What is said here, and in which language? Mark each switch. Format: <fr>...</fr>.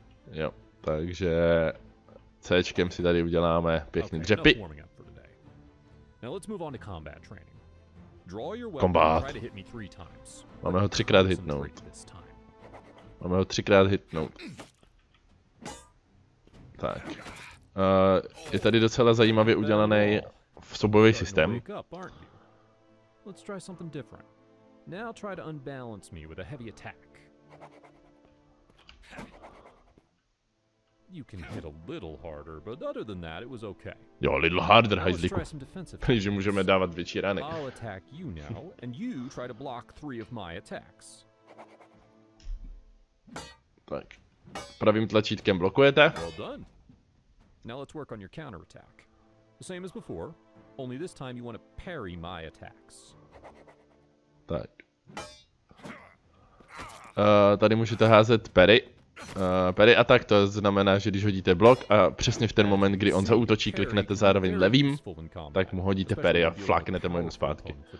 <cs>Jo, takže C-čkem si tady uděláme pěkný dřepy.</cs> <en>Now let's move on to combat training. Draw your weapon and try to hit me 3 times.</en> <cs>Máme ho 3x hitnout. Máme ho 3x hitnout. Tak. Je tady docela zajímavě udělaný soubojový systém.</cs> <en>Let's try something different. Now try to unbalance me with a heavy attack. You can hit a little harder, but other than that, it was okay.</en> <cs>Jo,</cs> <en>a little harder,</en> <cs>hajzlíku. Takže můžeme dávat větší rány.</cs> <en>I'll attack you now, and you try to block 3 of my attacks.</en> <cs>Tak. Pravým tlačítkem blokujete.</cs> <en>Well done. Now let's work on your counterattack. The same as before, only this time you want to parry my attacks.</en> <cs>Tak. Tady můžete házet parry. Parry attack, to znamená, že když hodíte blok a přesně v ten moment, kdy on zaútočí, kliknete zároveň levým, tak mu hodíte parry a flaknete mu zpátky.</cs>